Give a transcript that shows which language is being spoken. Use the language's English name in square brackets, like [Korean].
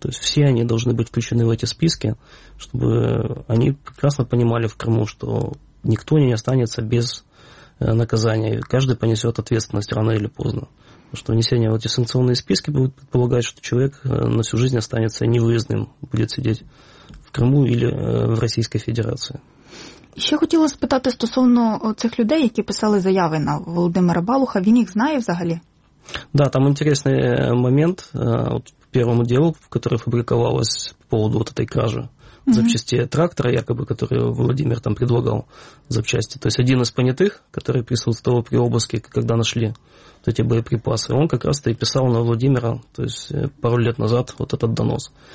[Russian] То есть все они должны быть включены в эти списки, чтобы они прекрасно понимали в Крыму, что никто не останется без наказания, каждый понесет ответственность рано или поздно. Что внесение в эти санкционные списки будет предполагать, что человек на всю жизнь останется невыездным, будет сидеть в Криму или [Ukrainian] в Російській Федерації. Ще хотіла спитати стосовно цих людей, які писали заяви на Володимира Балуха. Він їх знає взагалі? [Russian] Да, там интересный момент. От первому делу, в которой фабриковалось по поводу вот этой кражи запчасти трактора, якобы, который Владимир там предлагал запчасти. То есть один из понятых, который присутствовал при обыске, когда нашли вот эти боеприпасы, он как раз-то и писал на Владимира, то есть пару лет назад, вот этот донос.